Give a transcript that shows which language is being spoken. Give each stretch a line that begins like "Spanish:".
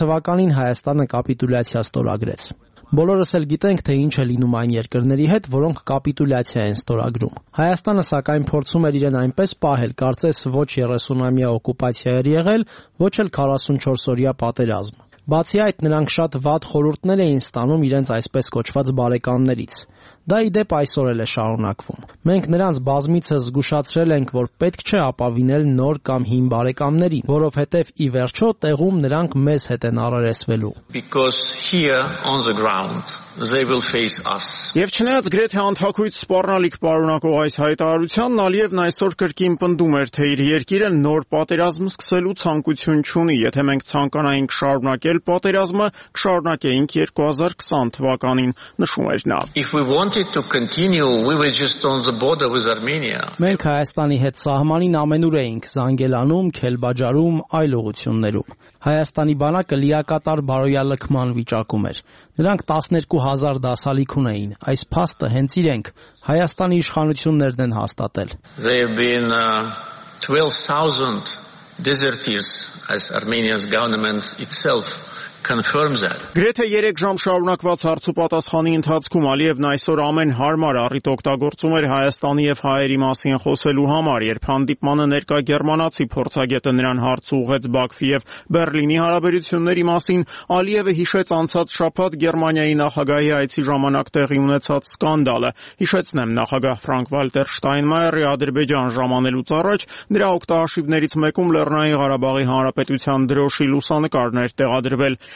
Armenian: թվականին Հայաստանը կապիտուլյացիա ստորագրեց։ Բոլորս էլ գիտենք, թե ինչ է լինում այն երկրների հետ, որոնք կապիտուլյացիա են ստորագրում։ Հայաստանը, սակայն, փորձում էր իրեն այնպես պահել, կարծես ոչ 30-ամյա օկուպացիա էր եղել, ոչ էլ 44-օրյա պատերազմ։ Բացի այդ, նրանք շատ վատ խորհուրդներ էին ստանում իրենց այսպես կոչված բարեկամներից։ Դա ի դեպ այսօր էլ է շարունակվում։ Մենք նրանց բազմիցս զգուշացրել ենք, որ պետք չէ ապավինել նոր կամ հին բարեկամներին, որովհետև ի վերջո տեղում նրանք մեզ հետ են առարեսվելու։
English: Because here on the ground they will face us.
Armenian: Եվ չնայած գրեթե անթակույց սպառնալիք պարունակող այս հայտարարությանն, Ալիևն այսօր կրկին պնդում էր, թե իր երկիրը նոր պատերազմ սկսելու ցանկություն չունի, եթե մենք ցանկանայինք շարունակել պատերազմը, կշարունակեինք 2020 թվականին, նշում էր նա։
English: Wanted to continue, we were just on the border with Armenia.
Armenian: Մենք Հայաստանի հետ սահմանին ամենուր էինք Զանգելանում, Քելբաջարում, այլ ուղություններում։ Հայաստանի բանակը լիակատար բարոյալքման վիճակում էր։ Նրանք 12,000 դասալիք ունեին, այս փաստը հենց իրենք, Հայաստանի իշխանություններն են հաստատել.
English: There have been 12,000 deserters, as Armenia's government itself confirms that.
Armenian: Գրեթե 3 ժամ շարունակված հարցուպատասխանի ընթացքում Ալիևն այսօր ամեն հարմար առիթ օգտագործում էր Հայաստանի եւ հայերի մասին խոսելու համար, երբ հանդիպմանը ներկա գերմանացի փորձագետը նրան հարց ուղղեց Բաքվի եւ Բեռլինի հարաբերությունների մասին, Ալիևը հիշեց անցած շաբաթ Գերմանիայի նախագահի այցի ժամանակ տեղի ունեցած սկանդալը, հիշեցնեմ, նախագահ Ֆրանկ-Վալտեր Շտայնմայերը Ադրբեջան ժամանելուց առաջ նրա օկտահաշիվներից մեկում Լեռնային Ղարաբաղի Հանրապետության դրոշի լուսանկարներ տեղադրվել.